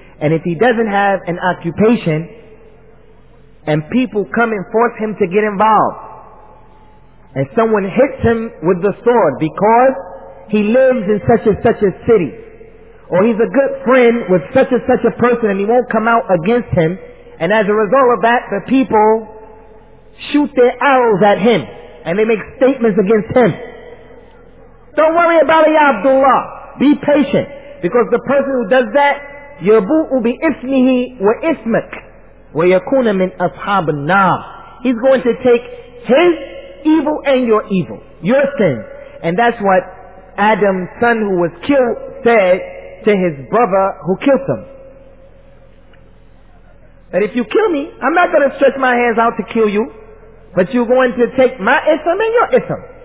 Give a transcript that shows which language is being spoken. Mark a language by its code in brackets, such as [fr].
[en] And if he doesn't have an occupation, and people come and force him to get involved, and someone hits him with the sword because he lives in such and such a city, or he's a good friend with such and such a person and he won't come out against him, and as a result of that, the people shoot their arrows at him and they make statements against him, Don't worry about it, Ya Abdullah. Be patient. Because the person who does that, [ar] يَبُوءُ بِإِثْمِهِ وَإِثْمَكْ وَيَكُونَ مِنْ أَصْحَابِ النَّارِ. [en] He's going to take his evil and your evil, your sin. And that's what Adam's son who was killed said to his brother who killed him. And if you kill me, I'm not going to stretch my hands out to kill you, but you're going to take my ism and your ism.